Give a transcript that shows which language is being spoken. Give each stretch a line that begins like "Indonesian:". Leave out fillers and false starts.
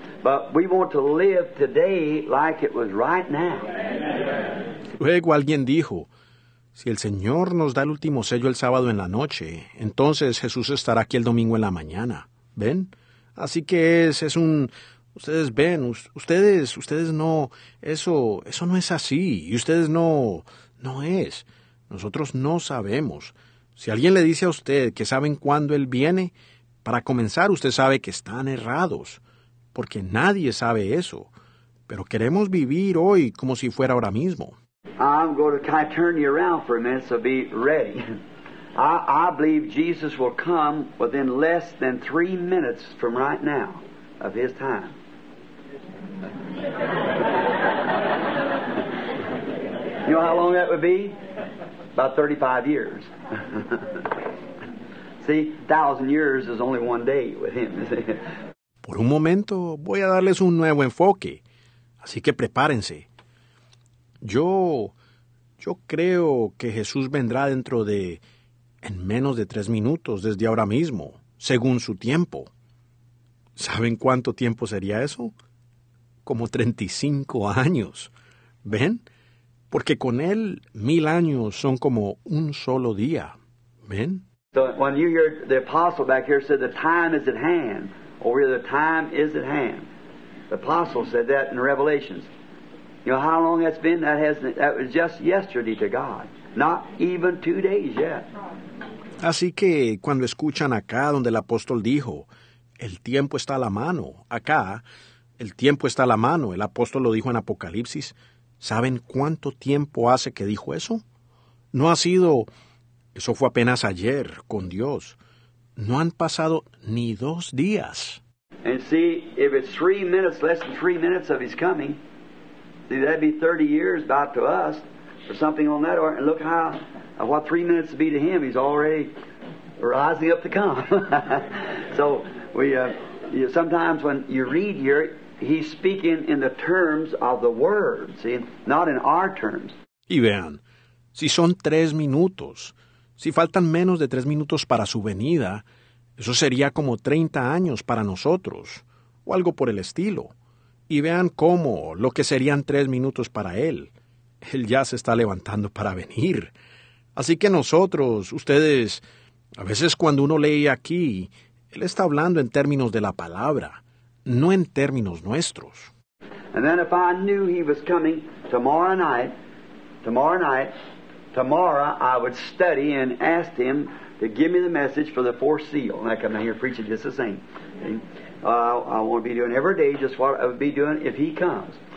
English: But we want to live today like it was right now.
Spanish: Luego alguien dijo, si el Señor nos da el último sello el sábado en la noche, entonces Jesús estará aquí el domingo en la mañana. ¿Ven? Así que es un... Ustedes ven, ustedes no, eso no es así, y ustedes no es. Nosotros no sabemos. Si alguien le dice a usted que saben cuándo Él viene, para comenzar usted sabe que están errados, porque nadie sabe eso. Pero queremos vivir hoy como si fuera ahora mismo.
English: I'm going to kind of turn you around for a minute, so be ready. I believe Jesus will come within less than 3 minutes from right now of His time. You know how long that would be? About 35 years. See, 1,000 years is only one day with Him.
Spanish: Por un momento, voy a darles un nuevo enfoque. Así que prepárense. Yo creo que Jesús vendrá dentro de... en menos de 3 minutos, desde ahora mismo, según su tiempo. ¿Saben cuánto tiempo sería eso? Como 35 años. ¿Ven? Porque con él, 1,000 años son como un solo día. ¿Ven?
English: So when you hear the apostle back here said the time is at hand, over here the time is at hand. The apostle said that in Revelations. You know how long that's been? That was just yesterday to God. Not even 2 days yet.
Spanish: Así que cuando escuchan acá donde el apóstol dijo, el tiempo está a la mano, acá, el tiempo está a la mano, el apóstol lo dijo en Apocalipsis, ¿saben cuánto tiempo hace que dijo eso? No ha sido, eso fue apenas ayer con Dios, no han pasado ni 2 días.
English: And see, if it's 3 minutes, less than 3 minutes of his coming, see, that'd be 30 years about to us, or something on that, or look how... what 3 minutes be to him? He's already rising up to come. So we sometimes when you read here, he's speaking in the terms of the word, see, not in our terms.
Spanish: Y vean, si son 3 minutos, si faltan menos de 3 minutos para su venida, eso sería como 30 años para nosotros, o algo por el estilo. Y vean cómo lo que serían 3 minutos para él. Él ya se está levantando para venir. Así que nosotros, ustedes, a veces cuando uno lee aquí, él está hablando en términos de la palabra, no en términos nuestros.
English: And then if I knew he was coming tomorrow night, I would study and ask him to give me the message for the fourth seal. And I come down here preaching just the same. I want to be doing every day just what I would be doing if he comes.